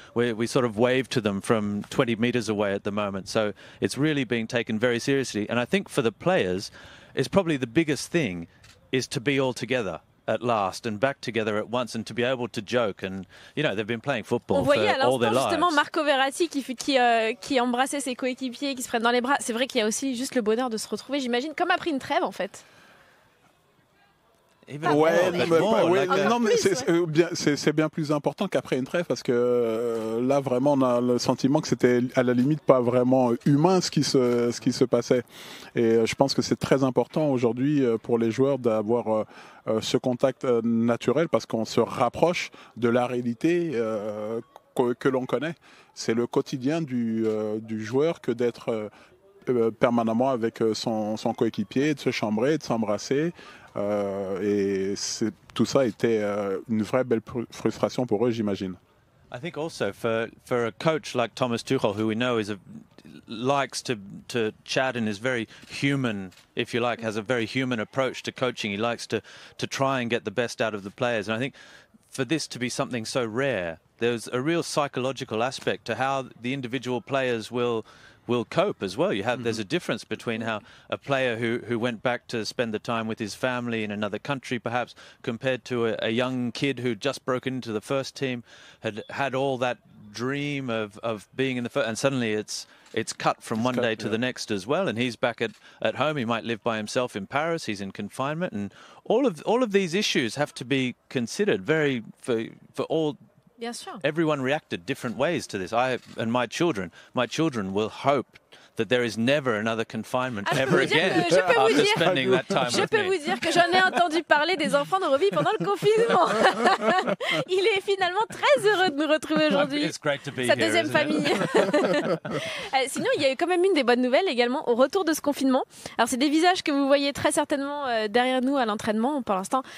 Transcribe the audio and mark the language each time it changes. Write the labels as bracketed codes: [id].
[en] We sort of wave to them from 20 meters away at the moment. So it's really being taken very seriously. And I think for the players, it's probably the biggest thing is to be all together at last and back together at once and to be able to joke. And, you know, they've been playing football for all their lives. [fr] On voyait à l'instant justement Marco Verratti qui embrassait ses coéquipiers, qui se prennent dans les bras. C'est vrai qu'il y a aussi juste le bonheur de se retrouver, j'imagine, comme après une trêve, en fait. C'est bien plus important qu'après une trêve, parce que là vraiment on a le sentiment que c'était à la limite pas vraiment humain ce qui se passait, et je pense que c'est très important aujourd'hui pour les joueurs d'avoir ce contact naturel, parce qu'on se rapproche de la réalité que l'on connaît. C'est le quotidien du joueur que d'être permanemment avec son coéquipier, de se chambrer, de s'embrasser. Et c'est, tout ça était une vraie belle frustration pour eux, j'imagine. [en] I think also for a coach like Thomas Tuchel, who we know likes to chat and is very human, if you like, has a very human approach to coaching. He likes to try and get the best out of the players. And I think for this to be something so rare, there's a real psychological aspect to how the individual players will cope as well. There's a difference between how a player who went back to spend the time with his family in another country, perhaps, compared to a young kid who just broken into the first team, had all that dream of being in the first, and suddenly it's cut from one day to the next as well. And he's back at home. He might live by himself in Paris. He's in confinement, and all of these issues have to be considered for all. Yes, sure. Everyone reacted different ways to this. I and my children will hope that there is never another confinement ever again. [fr] Je peux vous dire que j'en ai entendu parler des enfants de Roby pendant le confinement. Il est finalement très heureux de nous retrouver aujourd'hui. [en] It's great to be [fr] sa deuxième [en] here, [fr] famille. Sinon, il y a eu quand même une des bonnes nouvelles également au retour de ce confinement. Alors, c'est des visages que vous voyez très certainement derrière nous à l'entraînement pour l'instant.